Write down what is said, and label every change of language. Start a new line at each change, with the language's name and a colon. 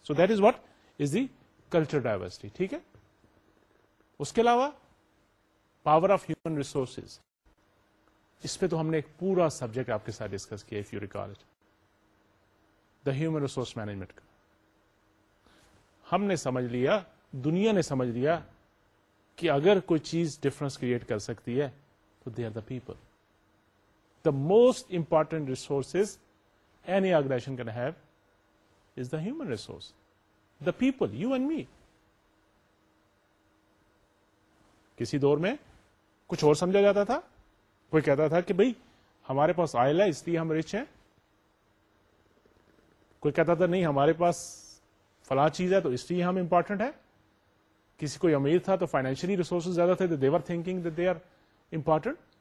English: So that is what is the culture diversity.
Urdu: ٹھیک ہے, اس کے علاوہ پاور آف ہیومن ریسورسز, اس پہ تو ہم نے ایک پورا سبجیکٹ آپ کے ساتھ ڈسکس کیا,
English: if you recall it,
Urdu: the human resource management کا. ہم نے سمجھ لیا, دنیا نے سمجھ لیا کہ اگر کوئی چیز ڈفرنس کریٹ کر سکتی ہے تو
English: They are the people. The most important resources any organisation can have is the human resource, the people, you and me.
Urdu: کسی دور میں کچھ اور سمجھا جاتا تھا, کوئی کہتا تھا کہ بھئی ہمارے پاس آئل ہے اس لیے ہم رچ ہیں, کوئی کہتا تھا نہیں ہمارے پاس فلاں چیز ہے تو اس لیے ہم امپورٹنٹ ہے, کسی کوئی امیر تھا تو فائنینشلی ریسورسز زیادہ تھے,
English: They were thinking that they are important.